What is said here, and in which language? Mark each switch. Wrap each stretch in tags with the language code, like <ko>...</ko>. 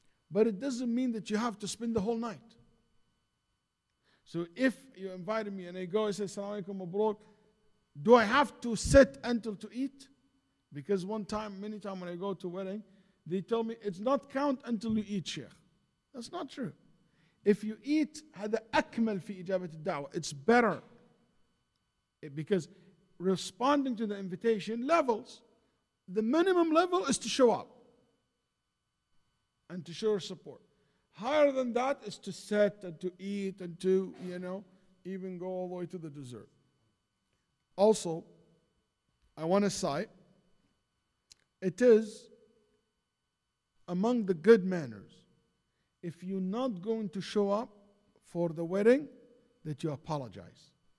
<en>But it doesn't mean that you have to spend the whole night. So if you invited me and I go, I say, Assalamu alaikum, mabrook, do I have to sit until to eat? Because one time, many times when I go to a wedding, they tell me, it's not count until you eat, Sheikh. That's not true. If you eat,</en> <ar>هذا أكمل في إجابة الدعوة.</ar> <en>It's better. Because responding to the invitation levels, the minimum level is to show up and to show support. Higher than that is to sit and to eat and to, you know, even go all the way to the dessert. Also, I want to cite, it is among the good manners, if you're not going to show up for the wedding, that you apologize.</en>